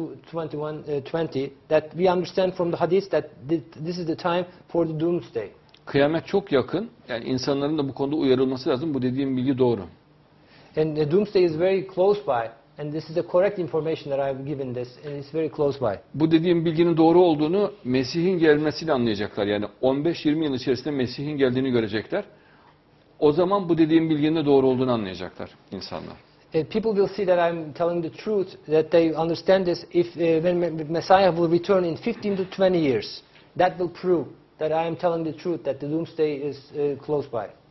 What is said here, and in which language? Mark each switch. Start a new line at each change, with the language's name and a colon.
English: 2120 that we understand from the hadith that this is the time for the doomsday.
Turkish: Kıyamet çok yakın. Yani insanların da bu konuda uyarılması lazım. Bu dediğim bilgi doğru.
English: And the doomsday is very close by, and this is the correct information that I've given this, and it's very close by.
Turkish: Bu dediğim bilginin doğru olduğunu Mesih'in gelmesiyle anlayacaklar. Yani 15-20 yıl içerisinde Mesih'in geldiğini görecekler. O zaman bu dediğim bilginin de doğru olduğunu anlayacaklar insanlar.
English: People will see that I'm telling the truth, that they understand this if when Messiah will return in 15 to 20 years. That will prove that I am telling the truth, that the doomsday is close by.